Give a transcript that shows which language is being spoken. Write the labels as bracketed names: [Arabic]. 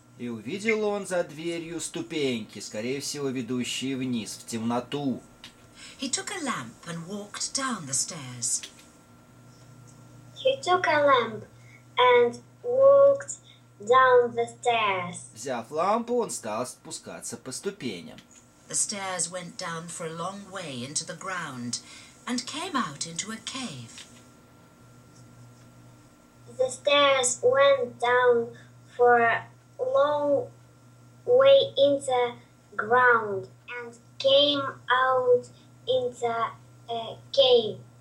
[Russian] И увидел он за дверью ступеньки, скорее всего, ведущие вниз, в темноту. [English] He took a lamp and walked down the stairs. He took a lamp and walked down the stairs. [Russian] Взяв лампу, он стал спускаться по ступеням. [English] The stairs went down for a long way into the ground and came out into a cave. The stairs went down for a long way into the ground and came out into a cave.